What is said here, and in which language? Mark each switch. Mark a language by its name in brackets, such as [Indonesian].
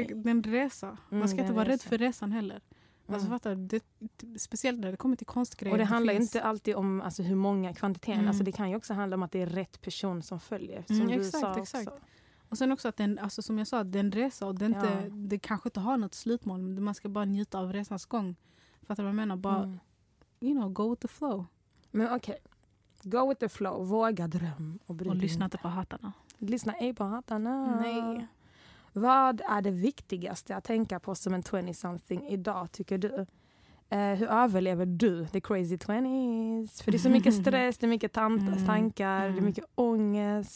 [Swedish] Like, den resa, man ska inte vara rädd för resan heller. Alltså, fattar, det, speciellt när det kommer till konstgrejer. Och det handlar inte alltid om alltså, hur många kvantiteten. Mm. Alltså, det kan ju också handla om att det är rätt person som följer. Som du sa exakt. Och sen också att den, alltså, som jag sa, den resa, och inte, det kanske inte har något slutmål. Men man ska bara njuta av resans gång. Fattar du vad jag menar? Bara, [English] you know, go with the flow. [Swedish] Men okej. [English] Go with the flow. [Swedish] Våga dröm. Och lyssna inte på hatarna. Lyssna ej på hatarna. Nej. Vad är det viktigaste att tänka på som en 20-something idag, tycker du? Hur överlever du [English] the crazy 20s? [Swedish] För det är så mycket stress, det är mycket tankar, det är mycket ångest.